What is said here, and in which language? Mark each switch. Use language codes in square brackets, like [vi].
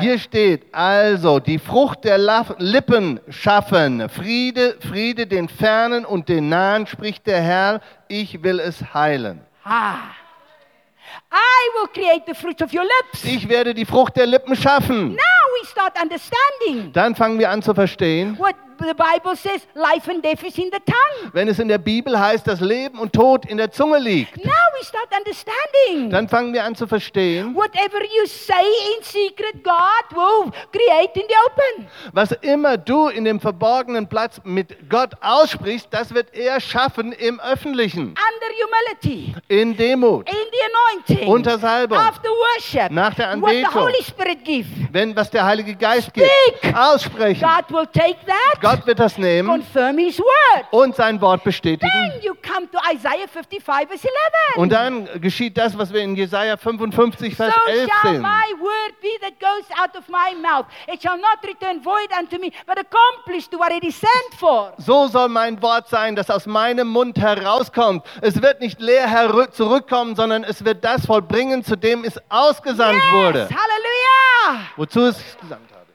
[de] Hier steht, also die Frucht der Lippen schaffen. Friede, Friede den Fernen und den Nahen, spricht der Herr, ich will es heilen. Ha. [en] I will create the fruit of your lips. [de] Ich werde die Frucht der Lippen schaffen. [en] Now we start understanding. [de] Dann fangen wir an zu verstehen. [en] What the Bible says, life and death is in the tongue. [de] Wenn es in der Bibel heißt, dass Leben und Tod in der Zunge liegt. [en] Now we start understanding. [de] Dann fangen wir an zu verstehen. [en] Whatever you say in secret, God will create in the open. [de] Was immer du in dem verborgenen Platz mit Gott aussprichst, das wird er schaffen im Öffentlichen. [en] Under humility. [de] In Demut. [en] In the anointing. [de] Unter Salbung. [en] After worship. [de] Nach der Anbetung. [en] What the Holy Spirit gives. [de] Wenn was der Heilige Geist [en] speak. [de] Gibt. Aussprechen. [en] God will take that. [de] Gott wird das nehmen [en] confirm his word. [de] Und sein Wort bestätigen. [en] Then you come to Isaiah 55, verse 11. [de] Und dann geschieht das, was wir in Jesaja 55, Vers 11 sehen. [en] So shall my word be that goes out of my mouth. It shall not return void unto me, but accomplish to what it is sent for. [de] So soll mein Wort sein, das aus meinem Mund herauskommt. Es wird nicht leer zurückkommen, sondern es wird das vollbringen, zu dem es ausgesandt [en] yes, [de] wurde. Halleluja! Wozu es gesandt?